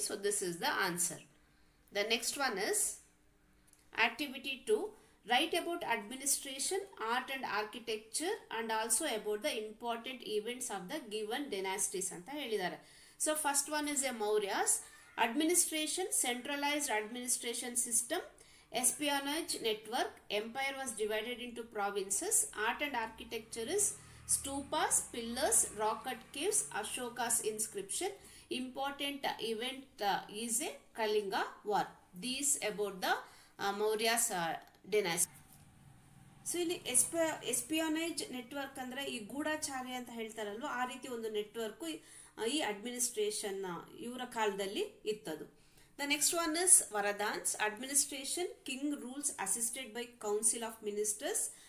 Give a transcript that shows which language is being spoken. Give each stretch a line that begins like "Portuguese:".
English: So this is the answer. The next one is activity 2, write about administration, art and architecture and also about the important events of the given dynasties
Kannada: ಅಂತ ಹೇಳಿದ್ದಾರೆ.
English: So first one is a Mauryas administration. Centralised administration system, espionage network, empire was divided into provinces, art and architecture is stupas, pillars, rock cut caves, Ashoka's inscription, important event is a Kalinga war. These about the Mauryas dynasty.
Kannada: So ಇಲ್ಲಿ ಎಸ್ಪಿಯೋನೇಜ್ network ಅಂದ್ರೆ ಈ ಗೂಢಾಚಾರ್ಯ ಅಂತ ಹೇಳ್ತಾರಲ್ವ, ಆ ರೀತಿ ಒಂದು network ಈ administration ಇವರ ಕಾಲದಲ್ಲಿ ಇತ್ತದು.
English: The next one is Vardhanas administration. King rules assisted by council of ministers.